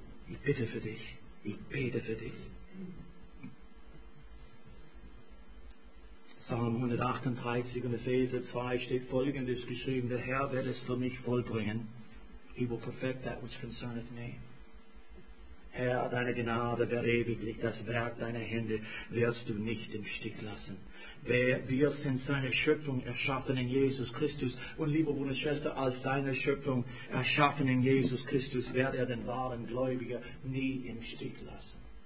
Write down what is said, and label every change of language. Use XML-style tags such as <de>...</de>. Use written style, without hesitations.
<de>Ich bitte für dich. Ich bete für dich. Psalm 138 und Epheser 2 steht folgendes geschrieben: Der Herr wird es für mich vollbringen.</de> <en>He will perfect that which concerneth me.</en> <de>Herr, deine Gnade wird ewiglich, das Werk deiner Hände wirst du nicht im Stich lassen. Wir sind seine Schöpfung erschaffen in Jesus Christus. Und liebe Bruder und Schwester, als seine Schöpfung erschaffen in Jesus Christus, wird er den wahren Gläubiger nie im Stich lassen.</de>